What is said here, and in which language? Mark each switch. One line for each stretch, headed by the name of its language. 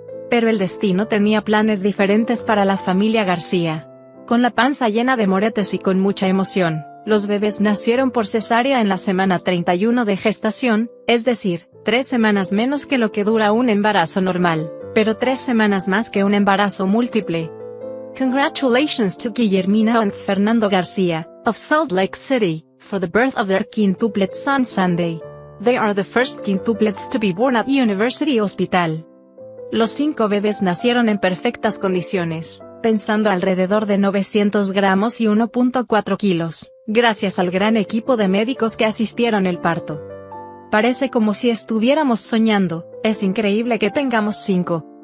Spanish: Pero el destino tenía planes diferentes para la familia García. Con la panza llena de moretes y con mucha emoción, los bebés nacieron por cesárea en la semana 31 de gestación, es decir, 3 semanas menos que lo que dura un embarazo normal, pero 3 semanas más que un embarazo múltiple.
English: Congratulations to Guillermina and Fernando García, of Salt Lake City, for the birth of their quintuplets on Sunday. They are the first quintuplets to be born at University Hospital.
Spanish: Los cinco bebés nacieron en perfectas condiciones, pesando alrededor de 900 gramos y 1.4 kilos, gracias al gran equipo de médicos que asistieron el parto. Parece como si estuviéramos soñando, es increíble que tengamos cinco.